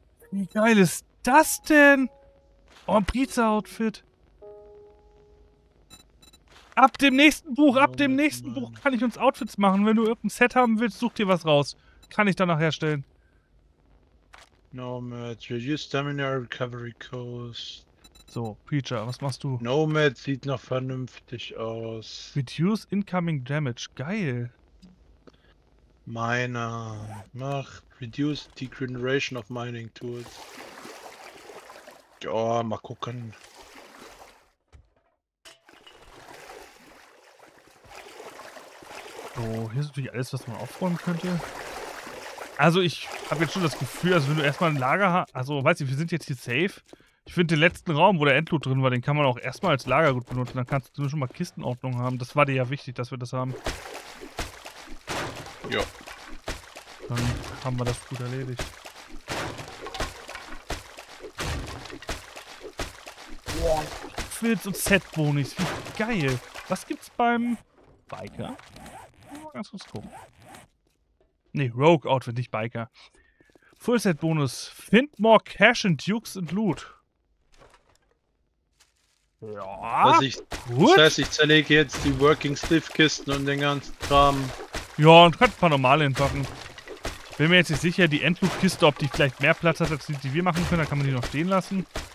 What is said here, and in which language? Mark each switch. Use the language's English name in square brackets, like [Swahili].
[German] Wie geil ist das denn? Oh, Pizza Outfit. Ab dem nächsten Buch, Buch kann ich uns Outfits machen. Wenn du irgendein Set haben willst, such dir was raus. Kann ich danach herstellen. [English] Nomads, reduce stamina recovery cost. [German] So, Preacher, was machst du? Nomads sieht noch vernünftig aus. [English] Reduce incoming damage, geil. Miner, [German] mach [English] reduce degeneration of mining tools. [German] Ja, mal gucken. So, hier ist natürlich alles, was man aufräumen könnte. Also ich habe jetzt schon das Gefühl, also wenn du erstmal ein Lager hast, also weißt du, wir sind jetzt hier safe. Ich finde den letzten Raum, wo der Endloot drin war, den kann man auch erstmal als Lager gut benutzen. Dann kannst du schon mal Kistenordnung haben. Das war dir ja wichtig, dass wir das haben. Ja. Dann haben wir das gut erledigt. Filz und Set-Bonis, wie geil. Was gibt's beim Biker? Ganz kurz gucken. Nee, Rogue Outfit, nicht Biker. [English] Full Set Bonus. Find more cash in Dukes and Loot. [German] Ja. Was ich, gut. Das heißt, ich zerlege jetzt die Working Stiff Kisten und den ganzen Kram. Ja, und kann ein paar normale hinpacken. Ich bin mir jetzt nicht sicher, die Endloot Kiste, ob die vielleicht mehr Platz hat, als die, die wir machen können, dann kann man die noch stehen lassen.